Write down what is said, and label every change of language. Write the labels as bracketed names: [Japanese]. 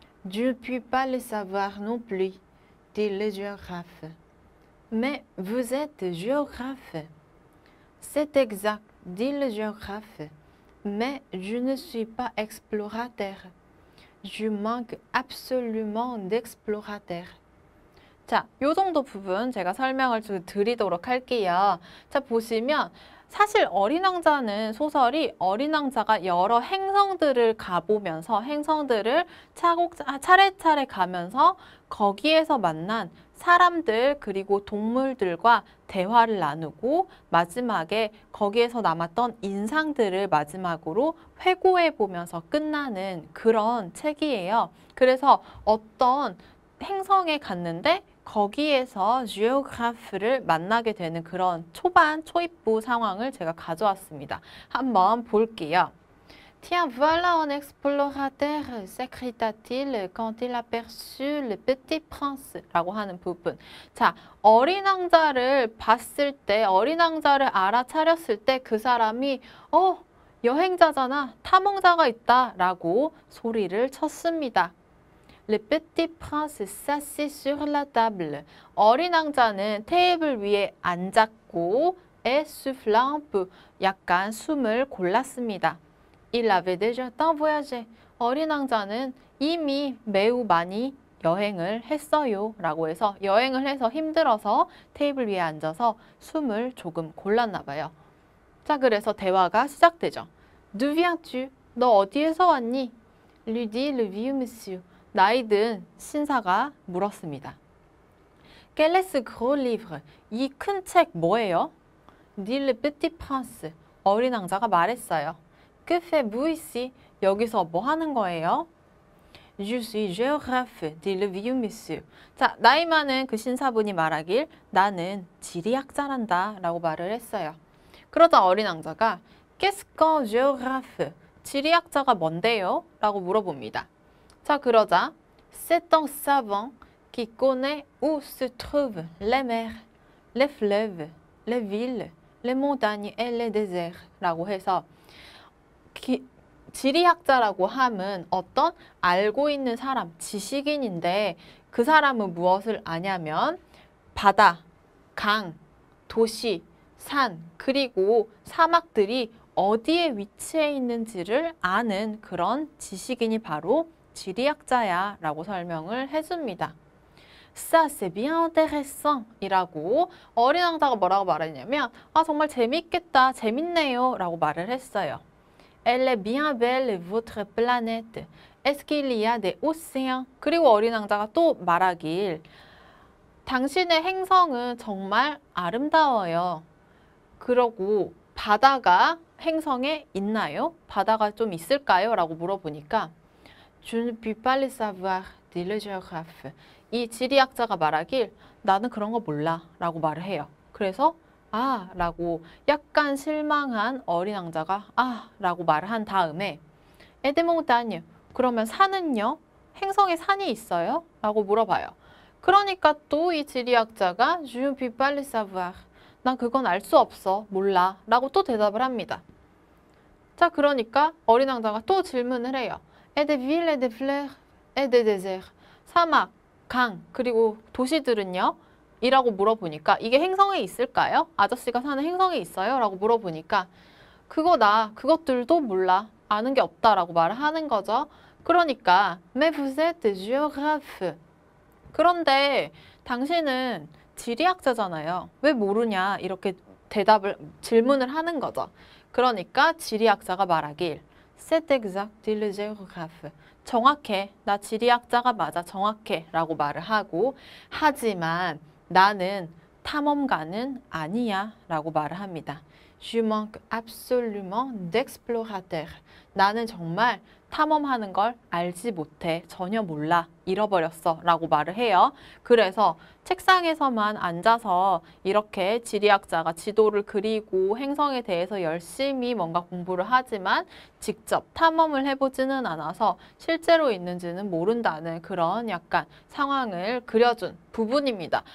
[French] Je ne puis pas le savoir non plus, dit le géographe. Mais vous êtes géographe. C'est exact, dit le géographe. Mais je ne suis pas explorateur. Je manque absolument d'explorateur. [Korean] 자, 요 정도 부분 제가 설명을 드리도록 할게요. 자, 보시면 사실 어린 왕자는 소설이 어린 왕자가 여러 행성들을 가보면서 행성들을 차곡차 차례차례 가면서 거기에서 만난 사람들 그리고 동물들과 대화를 나누고 마지막에 거기에서 남았던 인상들을 마지막으로 회고해 보면서 끝나는 그런 책이에요. 그래서 어떤 행성에 갔는데 거기에서 지오그래프를 만나게 되는 그런 초반 초입부 상황을 제가 가져왔습니다. 한번 볼게요. [French] Tiens, voilà un explorateur, s'écria-t-il quand il aperçut le petit prince. [Korean] 라고 하는 부분. 자, 어린 왕자를 봤을 때, 어린 왕자를 알아차렸을 때그 사람이, 여행자잖아, 탐험자가 있다, 라고 소리를 쳤습니다. [French] Le petit prince s'assit sur la table. [Korean] 어린 왕자는 테이블 위에 앉았고, [French] et souffla un peu. [Korean] 약간 숨을 골랐습니다. [French] Il avait déjà tant voyagé. [Korean] 어린 왕자는 이미 매우 많이 여행을 했어요. 라고 해서 여행을 해서 힘들어서 테이블 위에 앉아서 숨을 조금 골랐나 봐요. 자, 그래서 대화가 시작되죠. [French] D'où viens-tu? [Korean] 너 어디에서 왔니? [French] lui dit le vieux monsieur. [Korean] 나이든 신사가 물었습니다. [French] Quel est ce gros livre? [Korean] 이큰책 뭐예요? [French] Dit le petit prince. [Korean] 어린 왕자가 말했어요. [French] Que faites-vous ici? [Korean] 여기서 뭐 하는 거예요? [French] Je suis géographe, dit le vieux monsieur. [Korean] 자, 나이 많은 그 신사분이 말하길 나는 지리학자란다 라고 말을 했어요. 그러자 어린 왕자가 [French] Qu'est-ce qu'un géographe? [Korean] 지리학자가 뭔데요? 라고 물어봅니다. 자, 그러자 [French] C'est un savant qui connaît où se trouvent les mers, les fleuves, les villes, les montagnes et les déserts. [Korean] 라고 해서 지리학자라고 함은 어떤 알고 있는 사람, 지식인인데 그 사람은 무엇을 아냐면 바다, 강, 도시, 산, 그리고 사막들이 어디에 위치해 있는지를 아는 그런 지식인이 바로 지리학자야 라고 설명을 해줍니다. [French] Ça, c'est bien intéressant. [Korean] 이라고 어린 왕자가 뭐라고 말했냐면 아, 정말 재밌겠다, 재밌네요. 라고 말을 했어요. [French] Elle est bien belle, votre planète. Est-ce qu'il y a des océans? [Korean] 그리고 어린 왕자가 또 말하길 당신의 행성은 정말 아름다워요. 그러고 바다가 행성에 있나요? 바다가 좀 있을까요? 라고 물어보니까 [French] Je ne puis pas le savoir, dit le géographe. [Korean] 이 지리학자가 말하길 나는 그런 거 몰라 라고 말을 해요. 그래서 아 라고 약간 실망한 어린 왕자가 아 라고 말을 한 다음에 에드몽다뉴 그러면 산은요? 행성에 산이 있어요? 라고 물어봐요. 그러니까 또 이 지리학자가 [French] Je ne puis pas le savoir. [Korean] 난 그건 알 수 없어. 몰라. 라고 또 대답을 합니다. 자, 그러니까 어린 왕자가 또 질문을 해요. [French] Et des villes, et des fleurs, et des déserts. [Korean] 사막, 강, 그리고 도시들은요? 이라고 물어보니까 이게 행성에 있을까요? 아저씨가 사는 행성에 있어요? 라고 물어보니까 그거 나, 그것들도 몰라. 아는 게 없다. 라고 말을 하는 거죠. 그러니까 [French] Mais vous êtes géographe. [Korean] 그런데 당신은 지리학자잖아요. 왜 모르냐? 이렇게 대답을 질문을 하는 거죠. 그러니까 지리학자가 말하길 [French] C'est exact, dit le géographe. [Korean] 정확해. 나 지리학자가 맞아. 정확해. 라고 말을 하고 하지만 나는 탐험가는 아니야. 라고 말을 합니다. [French] Je manque absolument d'explorateur. [Korean] 나는 정말 탐험하는 걸 알지 못해. 전혀 몰라. 잃어버렸어. 라고 말을 해요. 그래서 책상에서만 앉아서 이렇게 지리학자가 지도를 그리고 행성에 대해서 열심히 뭔가 공부를 하지만 직접 탐험을 해보지는 않아서 실제로 있는지는 모른다는 그런 약간 상황을 그려준 부분입니다.